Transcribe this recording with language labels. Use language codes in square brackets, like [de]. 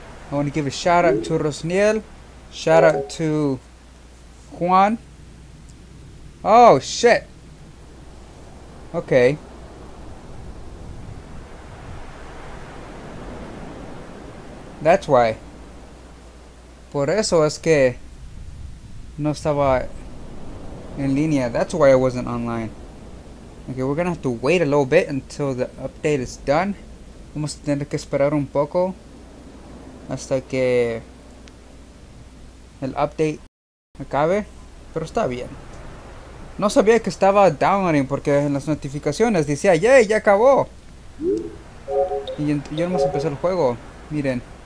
[en] I want to give a shout out to Rosniel, shout out to Juan. Oh shit. Okay. That's why. [es] Por eso es que no estaba in línea. [en] That's why I wasn't online. Okay, we're gonna have to wait a little bit until the update is done. [es] Vamos a tener que esperar un poco hasta que el update acabe. Pero está bien. No sabía que estaba downloading porque en las notificaciones decía, ¡yay! ¡Ya acabó! Y yo nomás empecé el juego. Miren.